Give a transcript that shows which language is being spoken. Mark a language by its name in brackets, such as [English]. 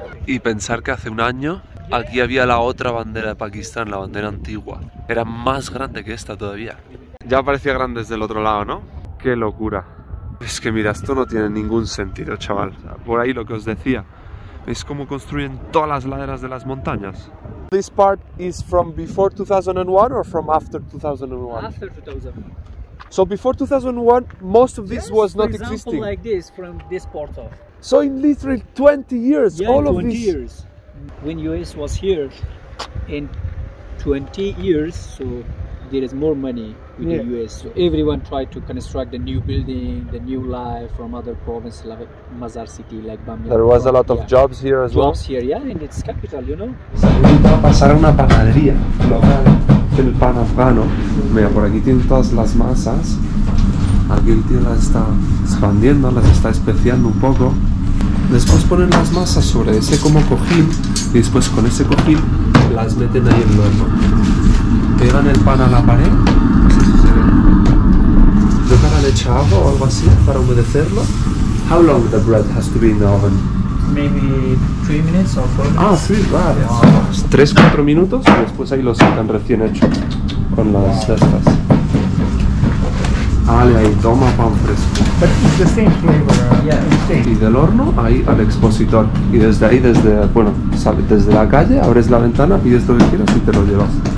[Spanish] Y pensar que hace un año aquí había la otra bandera de Pakistán, la bandera antigua. Era más grande que esta todavía. Ya parecía grande desde el otro lado, ¿no? ¡Qué locura! Es que mira, esto no tiene ningún sentido, chaval. O sea, por ahí lo que os decía. ¿Veis cómo construyen todas las laderas de las montañas? [English] This part is from before 2001 or from after 2001? After 2001. So before 2001, most of this was not existing. For example, like this, from this part of. So in literally 20 years, yeah, all 20 of this... years. When US was here, in 20 years, so there is more money with the US. So everyone tried to construct the new building, the new life from other province, like Mazar City, like Bamiyan. There was a lot of jobs here as jobs well. Jobs here, yeah, and it's capital, you know. [Spanish] Va a pasar una panadería local del pan afgano. Mira, por aquí tienen todas las masas. Aquí el tío las está expandiendo, las está especiando un poco. Después ponen las masas sobre ese como cojín y después con ese cojín las meten ahí en el horno. Pegan el pan a la pared. No sé si se ve. Yo cara le echa agua o algo así para humedecerlo. [English] How long the bread has to be in the oven? Maybe 3 minutes or 4 minutes. [Spanish] Ah, 3, vale. Yes. 3-4 minutos y después ahí lo sacan recién hecho con las cestas. Vale, ahí toma pan fresco. [English] But it's the same flavor. Yeah, [Spanish] y del horno ahí al expositor. Y desde ahí, desde la calle, abres la ventana, pides lo que quieras y te lo llevas.